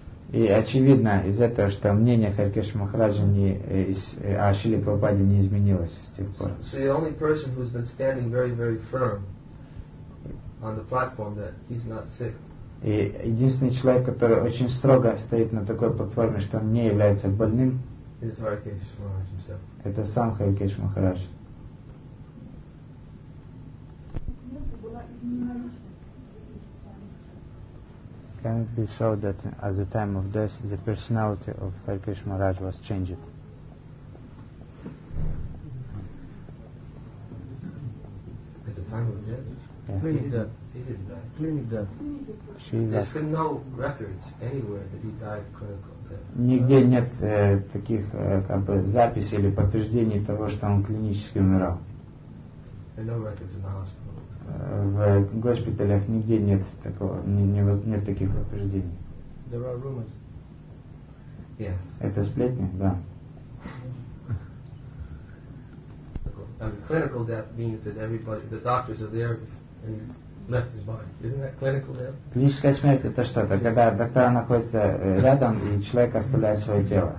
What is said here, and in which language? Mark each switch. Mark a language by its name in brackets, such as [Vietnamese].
[Russian] И очевидно из этого, что мнение Харикеш Махараджа о Шриле Прабхупаде не изменилось с тех пор. [English] So the only person who's been standing very, very firm on the platform that he's not sick. [Russian] И единственный человек, который очень строго стоит на такой платформе, что он не является больным, [English] is Harikesh Maharaj himself. [Russian] Это сам Харикеш Махарадж. [English] Can it be so that at the time of death the personality of Harikesh Maharaj was changed? At the time of death? Yeah. Clinic death. There's been no records anywhere that he died clinical death. [Russian] Нигде нет таких как бы записей или подтверждений того, что он клинически умирал. [English] And no records in the hospital. [Russian] В госпиталях нигде нет такого, нет таких подтверждений. [English] There are rumors. Yeah. [Russian] Это сплетни, да. [English] Clinical death means that everybody, the doctors are there and left his body. Isn't that clinical death? [Russian] Клиническая смерть это что? Это когда доктор находится рядом и человек оставляет свое тело.